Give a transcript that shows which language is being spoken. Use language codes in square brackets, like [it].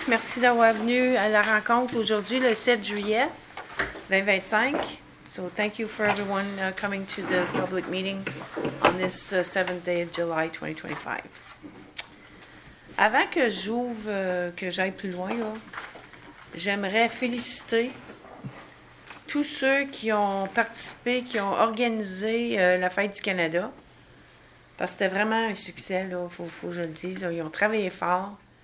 [fr] Merci d'avoir venu à la rencontre aujourd'hui, le 7 juillet 2025. [en] So, thank you for everyone coming to the public meeting on this 7th day of July 2025. [fr] Avant que j'ouvre, que j'aille plus loin, là, j'aimerais féliciter tous ceux qui ont participé, qui ont organisé la Fête du Canada. Parce que c'était vraiment un succès, là, faut que je le dise. Ils ont travaillé fort.